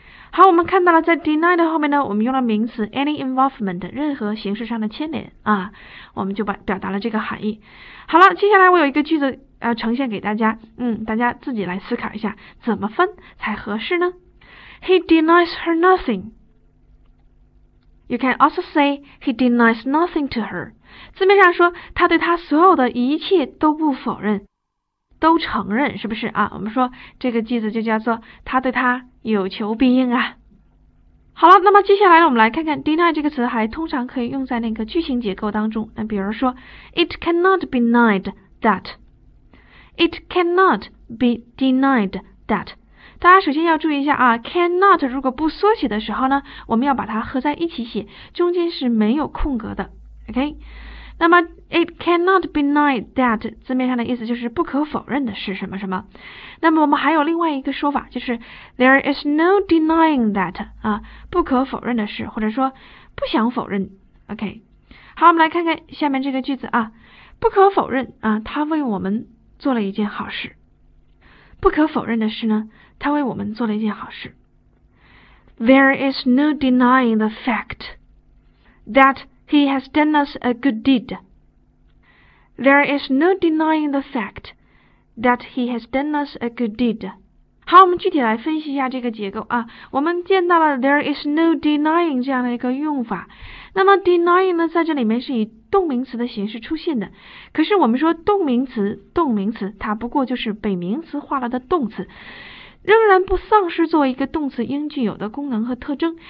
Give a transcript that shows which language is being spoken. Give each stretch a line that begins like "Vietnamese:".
Chinese: 好，我们看到了在 deny 的后面呢，我们用了名词
English: any involvement，
Chinese: 任何形式上的牵连啊，我们就表达了这个含义。好了，接下来我有一个句子要呈现给大家，大家自己来思考一下，怎么分才合适呢？
English: He denies her nothing. You can also say he denies nothing to her.
Chinese: 字面上说，他对他所有的一切都不否认。都承认是不是啊？我们说这个句子就叫做他对他有求必应啊。好了，那么接下来我们来看看 deny 这个词还通常可以用在那个句型结构当中。那比如说
English: ，it cannot be denied that， it cannot be denied that，
Chinese: 大家首先要注意一下啊 ，cannot 如果不缩写的时候呢，我们要把它合在一起写，中间是没有空格的 ，OK？那么
English: it cannot be denied that
Chinese: 字面上的意思就是不可否认的是什么什么。那么我们还有另外一个说法，就是
English: there is no denying that
Chinese: 啊，不可否认的是，或者说不想否认 ，OK？好，我们来看看下面这个句子啊，不可否认啊，他为我们做了一件好事。不可否认的是呢，他为我们做了一件好事。
English: There is no denying the fact that he has done us a good deed. There is no denying the fact that he has done us a good deed.
Chinese: 好，我们具体来分析一下这个结构啊。我们见到了
English: there is no denying
Chinese: 这样的一个用法。那么 denying 呢，在这里面是以动名词的形式出现的，可是我们说动名词它不过就是被名词化了的动词，仍然不丧失作为一个动词应具有的功能和特征。